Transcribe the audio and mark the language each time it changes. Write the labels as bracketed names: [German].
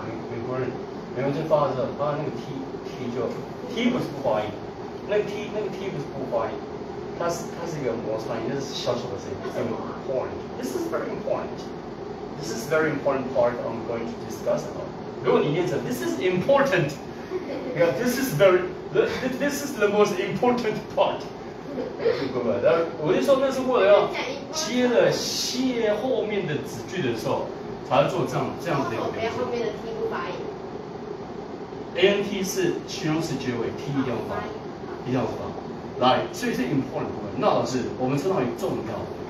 [Chinese] 美国人，美国人发的时候，发那个 T 就 T 不是不发音，那个 T 不是不发音，它是一个摩擦音，就是小小的声音。 [English] Important. This is very important. This is very important part I'm going to discuss about. [Chinese] 如果你念成 [English] This is important. Yeah, this is the most important part. [Chinese] 不不不，我就说那是为了要接了谢后面的子句的时候。才做这样的表现。后面的 T 不发音。 ant 是形容词结尾 ，T 一定要发，一定要发。来，所以是 important 部分。那老师，我们称它为重要的。